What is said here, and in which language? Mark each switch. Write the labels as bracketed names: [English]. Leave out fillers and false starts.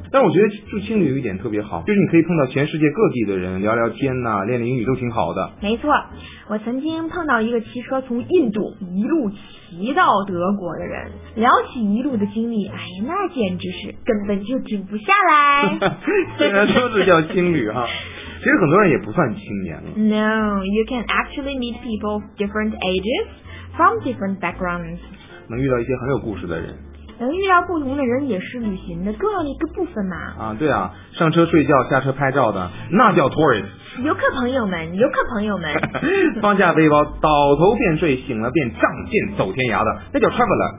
[Chinese] 但我觉得住青旅有一点特别好，就是你可以碰到全世界各地的人，聊聊天啊，练英语都挺好的。没错，我曾经碰到一个骑车从印度一路骑到德国的人，聊起一路的经历，哎，那简直是根本就停不下来。虽然说是叫青旅哈。其实很多人也不算青年了。 [English] No, you can actually meet people of different ages, from different backgrounds. [Chinese] 能遇到一些很有故事的人。能遇到不同的人也是旅行的重要的一个部分嘛。啊，对啊，上车睡觉，下车拍照的，那叫 tourist。游客朋友们，游客朋友们。放下背包，倒头便睡，醒了便仗剑走天涯的，那叫 traveler。